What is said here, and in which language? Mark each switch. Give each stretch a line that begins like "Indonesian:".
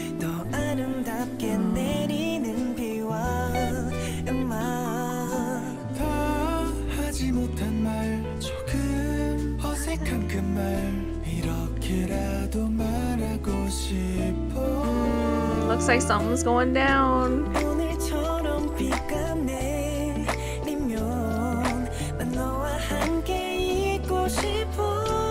Korean: The 아름답게 내리는 비와 음악. 다 하지 못한 말 조금 어색한 그 말 이렇게라도 말하고 싶어.
English: Looks like something's going down.
Korean: 오늘처럼 비가 내리면 난 너와 함께 있고 싶어.